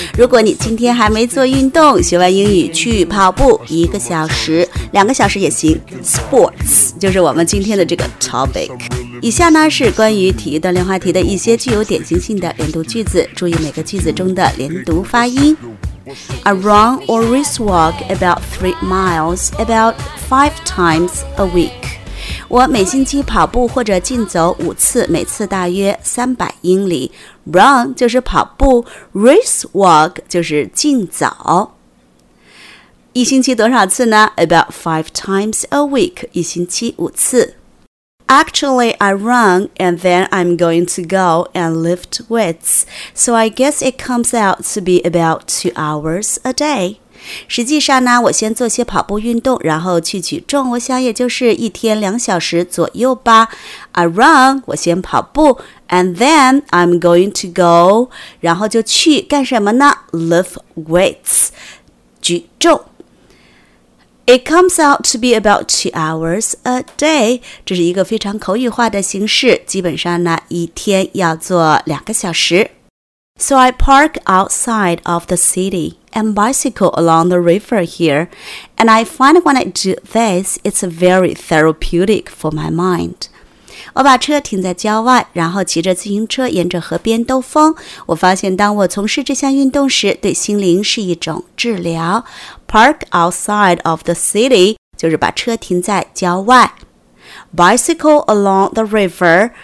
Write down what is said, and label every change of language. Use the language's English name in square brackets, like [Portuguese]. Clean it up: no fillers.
[Chinese] 如果你今天还没做运动，学完英语去跑步一个小时两个小时也行， Sports 就是我们今天的这个 topic。以下呢是关于体育锻炼话题的一些具有典型性的连读句子，注意每个句子中的连读发音。 [English] I run or race walk about 3 miles about 5 times a week. [Chinese] 我每星期跑步或者竞走5次，每次大约300英里。 Run 就是跑步 ，race walk 就是竞走。一星期多少次呢 ？ [English] About 5 times a week， [Chinese] 一星期5次。 [English] Actually, I run and then I'm going to go and lift weights. So I guess it comes out to be about 2 hours a day. [Chinese] 实际上呢，我先做些跑步运动，然后去举重，我想也就是一天2小时左右吧。 [English] I run, [Chinese] 我先跑步 [English] and then I'm going to go, [Chinese] 然后就去干什么呢？ [English] Lift weights, [Chinese] 举重。 [English] It comes out to be about 2 hours a day. [Chinese] 这是一个非常口语化的形式，基本上呢，一天要做2个小时。 [English] So I park outside of the city and bicycle along the river here. And I find when I do this, it's very therapeutic for my mind. [Chinese] 我把车停在郊外，然后骑着自行车沿着河边兜风。我发现当我从事这项运动时，对心灵是一种治疗。 [English] Park outside of the city, [Chinese] 就是把车停在郊外。 [English] Bicycle along the river,